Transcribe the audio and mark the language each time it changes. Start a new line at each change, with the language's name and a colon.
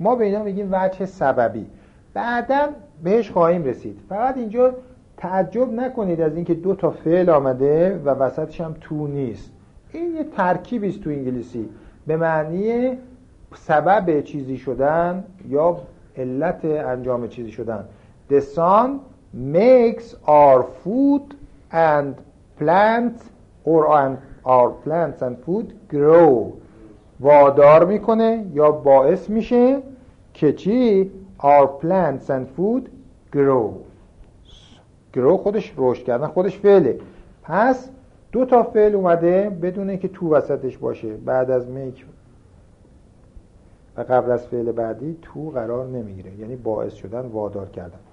Persian: ما به اینا میگیم وجه سببی. بعدم بهش خواهیم رسید. فقط اینجا تعجب نکنید از اینکه دو تا فعل آمده و وسطش هم تو نیست. این یه ترکیبی است تو انگلیسی به معنی سبب چیزی شدن یا علت انجام چیزی شدن.
English: The sun makes our food and plants or our plants and food grow.
Persian: وادار میکنه یا باعث میشه که چی؟
English: Our plants and food grow. Grow
Persian: خودش رشد کردن، خودش فعله. پس دو تا فعل اومده بدون اینکه تو وسطش باشه، بعد از make و قبل از فعل بعدی تو قرار نمیگیره، یعنی باعث شدن، وادار کردن.